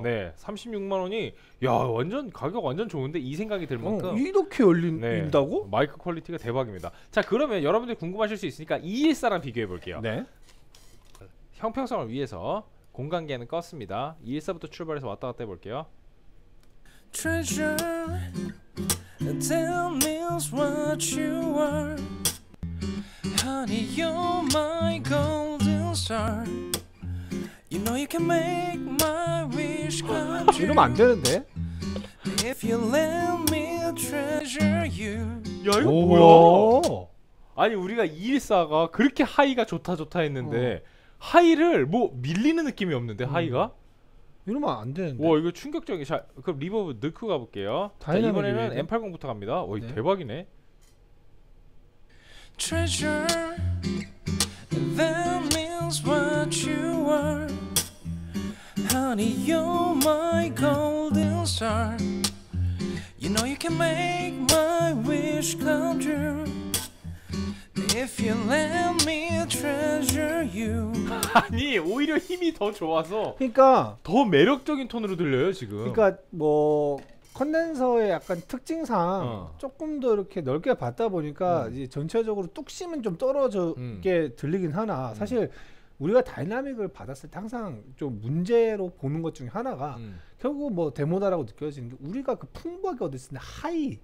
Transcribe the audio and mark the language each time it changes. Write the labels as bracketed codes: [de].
[ko] 네, 36만 원이 야 완전 가격 완전 좋은데 이 생각이 들 만큼 이렇게 열린다고? 네, 마이크 퀄리티가 대박입니다. 자 그러면 여러분들이 궁금하실 수 있으니까 214랑 비교해 볼게요. 네. 형평성을 위해서 공간계는 껐습니다. 214부터 출발해서 왔다 갔다 해볼게요. [en] Treasure, tell me what you are. Honey, you're my golden star. You know you can make my wish come true. [ko] 이러면 안 되는데? [en] If you let me treasure you. [ko] 야 이거 오, 뭐야? 오. 아니 우리가 214가 그렇게 하이가 좋다 좋다 했는데 하이를 뭐 밀리는 느낌이 없는데 하이가 이러면 안 되는데. 와 이거 충격적이. 자 그럼 리버브 넣고 가볼게요. 자, 이번에는 M80부터 갑니다. 와 네. 대박이네. [en] Treasure, that means what you are. Honey, you're my golden star. You know you can make my wish come true. If you let me treasure you. [ko] 아니 오히려 힘이 더 좋아서 그러니까 더 매력적인 톤으로 들려요 지금. 그러니까 뭐 컨덴서의 약간 특징상 조금 더 이렇게 넓게 받다 보니까 이제 전체적으로 뚝심은 좀 떨어지게 들리긴 하나 사실 우리가 다이나믹을 받았을 때 항상 좀 문제로 보는 것 중에 하나가 결국 뭐 데모다라고 느껴지는 게 우리가 그 풍부하게 얻을 수 있는 하이